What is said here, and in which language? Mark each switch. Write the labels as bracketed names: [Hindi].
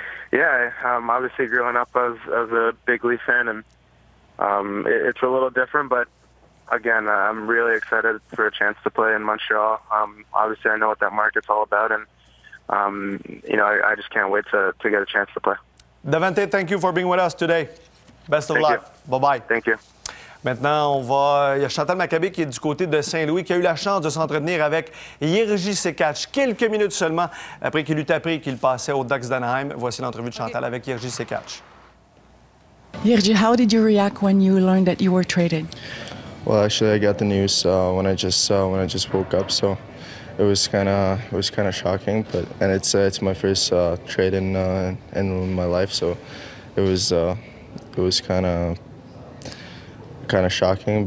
[English] Yeah, obviously growing up as a big Leaf fan, and it's a little different, but again, I'm really excited for a chance to play in Montreal. Obviously, I know what that market's all about, and I just can't wait to get a chance to play. Davante, thank you for being with us today. Best of luck. Bye-bye. Thank you. [French] Maintenant, il y a Chantal Maccabé qui est du côté de Saint-Louis, qui a eu la chance de s'entretenir avec Jiří Sekáč quelques minutes seulement après qu'il eut appris qu'il passait aux Ducks d'Anaheim. Voici l'entrevue de Chantal avec Jiří Sekáč. [English] Jiří, how did you react when you learned that you were traded? Well, actually, I got the news when I just woke up, so it was kind of shocking. But and it's my first trade in my life, so it was kind of shocking.